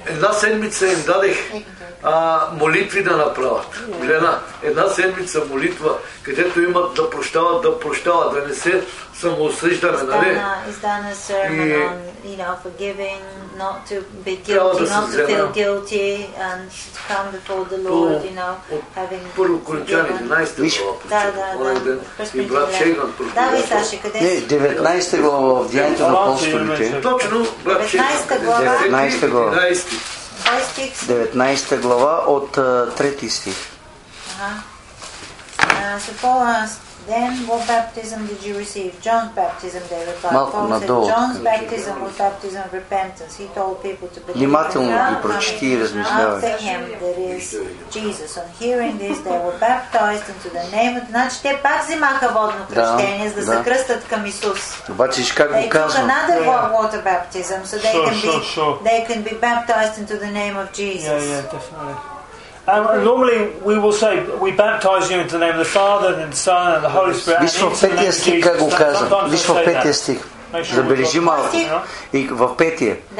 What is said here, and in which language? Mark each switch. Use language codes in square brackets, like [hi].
[bg] Една седмица им дадех молитви да направят. Глена, една седмица молитва, където имат да прощават, да не се самоосъждане, нали? [en] He's done a sermon on, you know, forgiving, not to be guilty, not to feel guilty, and to come before the Lord, you know, having [bg] Първо Коринтяни, 11 глава, и брат Шейган проповядва. 19 глава в Деянието на апостолите. Точно, брат Шейган. 19 глава. 19 глава. 19 глава от 3 стих. [en] So Paul asked them, what baptism did you receive? John's baptism, they replied. Paul said, John's baptism was baptism of repentance. He told people to believe in God, and after him, there is Jesus. On hearing this, they were baptized into the name of... [bg] Значи, те пак взимаха водно кръщение, за да се кръстят към Исус. Обаче, виж как го казвам. [en] They took another water baptism, so they can be baptized into the name of Jesus. Yeah, definitely. Normally we will say we baptize you into the name of the Father and the Son and the Holy Spirit. [bg] Виж в петия стих как го казвам. Виж в петия стих. Забележи малко. И в петия.